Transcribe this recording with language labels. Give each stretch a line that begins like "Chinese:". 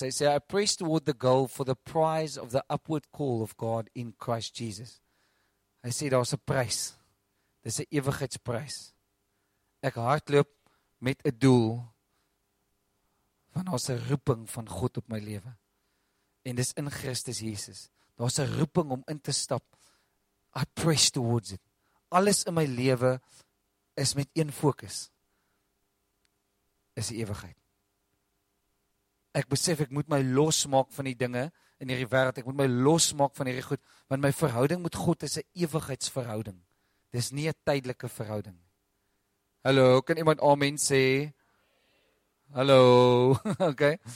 Afrikaans: Hy sê,
English: I press toward the goal for the prize of the upward call of God in Christ Jesus.
Afrikaans: Hy sê, daar is 'n prys. Dit is 'n ewigheidsprys. Ek hardloop met 'n doel van daar's 'n roeping van God op my lewe. En dis in Christus Jesus. Daar's 'n roeping om in te stap.
English: I press towards it.
Afrikaans: Alles in my lewe is met een fokus. Is die ewigheid. Ek besef ek moet my losmaak van die dinge in hierdie wêreld. Ek moet my losmaak van hierdie goed, want my verhouding met God is 'n ewigheidsverhouding. Dis nie 'n tydelike verhouding. Hallo, kan iemand amen sê? Hallo. Okay.